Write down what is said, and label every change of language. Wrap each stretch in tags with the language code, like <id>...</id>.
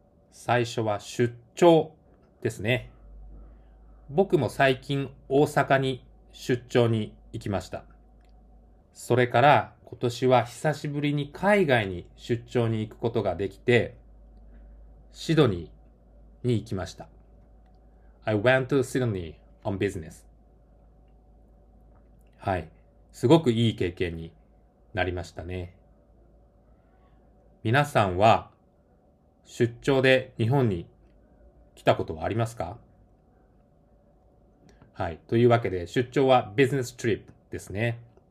<ja>最初は出張ですね。僕も最近大阪に出張に行きました。それから今年は久しぶりに海外に出張に行くことができて、シドニーに行きました。</ja> <en>I went to Sydney on business.</en> <ja>はい。すごくいい経験になりましたね。皆さんは出張で日本に来たことはありますか？はい。というわけで、出張はビジネストリップですね。</ja>